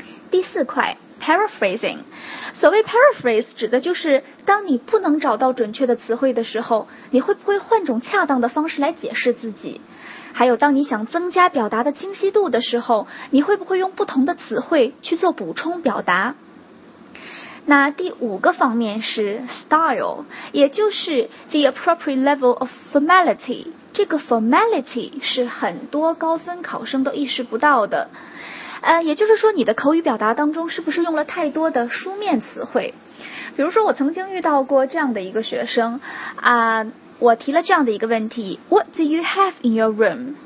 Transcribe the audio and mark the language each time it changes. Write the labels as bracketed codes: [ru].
[zh] 第四块， paraphrasing， 所谓 paraphrase 指的就是当你不能找到准确的词汇的时候，你会不会换种恰当的方式来解释自己，还有当你想增加表达的清晰度的时候，你会不会用不同的词汇去做补充表达。那第五个方面是 style， 也就是 [en] the appropriate level of formality。 [zh] 这个 formality 是很多高分考生都意识不到的，也就是说你的口语表达当中是不是用了太多的书面词汇。比如说我曾经遇到过这样的一个学生啊，我提了这样的一个问题， [en] What do you have in your room？